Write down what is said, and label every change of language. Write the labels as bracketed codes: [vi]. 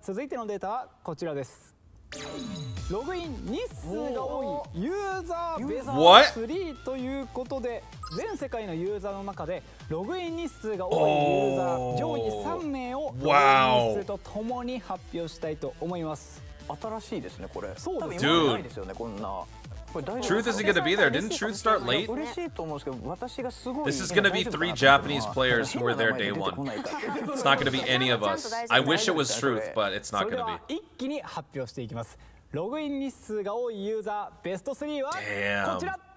[ja] 続いてのデータはこちらです。ログイン日数が多いユーザーベザー3ということで、全世界のユーザーの中でログイン日数が多いユーザー上位3名をログイン日数とともに発表したいと思います。新しいですねこれ。そうです、多分今までないですよねこんな。 [en] Truth isn't going to be there. Didn't Truth start late? This is going to be three Japanese players who were there day one. It's not going to be any of us. I wish it was Truth, but it's not going to be. [ja] それでは一気に発表していきます。ログイン日数が多いユーザーベスト3はこちら。